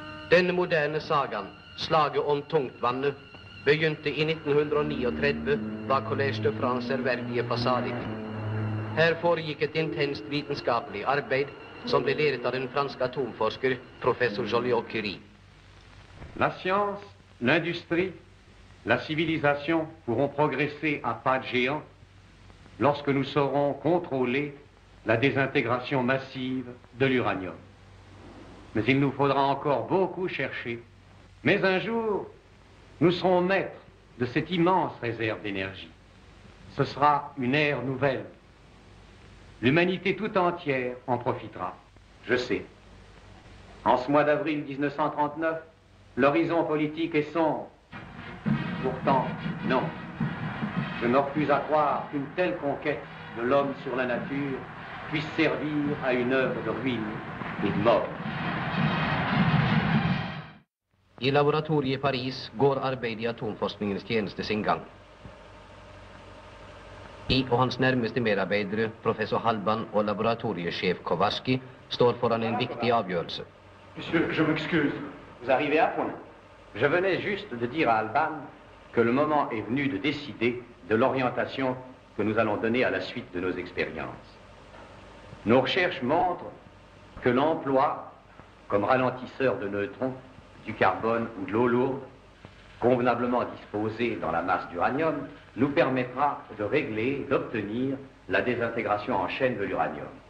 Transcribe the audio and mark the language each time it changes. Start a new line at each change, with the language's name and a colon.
Norwegian: Denne moderne sagan, slaget om tungtvannet, begynte i 1939 bak Collège de France ærverdige fasadikken. Her foregikk et intenst vitenskapelig arbeid som ble ledet av den franske atomforsker professor Joliot-Curie.
French: La science, l'industrie, la civilisation pourront progresser à pas de géant lorsque nous saurons contrôler la désintégration massive de l'uranium. Mais il nous faudra encore beaucoup chercher. Mais un jour, nous serons maîtres de cette immense réserve d'énergie. Ce sera une ère nouvelle. L'humanité tout entière en profitera. Je sais. En ce mois d'avril 1939, l'horizon politique est sombre. Pourtant, non. Je me refuse à croire qu'une telle conquête de l'homme sur la nature puisse servir à une œuvre de ruine et de mort.
Norwegian: I laboratoriet i Paris går arbeid i atomforskningens tjeneste sin gang. De og hans nærmeste medarbeidere, professor Halban og laboratoriesjef Kowalski, står foran en viktig avgjørelse.
French: Monsieur, je m'excuse. Vous arrivez à point. Je venais juste de dire à Halban que le moment est venu de décider de l'orientation que nous allons donner à la suite de nos expériences. Nos recherches montrent que l'emploi comme ralentisseur de neutrons du carbone ou de l'eau lourde, convenablement disposée dans la masse d'uranium, nous permettra de régler, d'obtenir la désintégration en chaîne de l'uranium.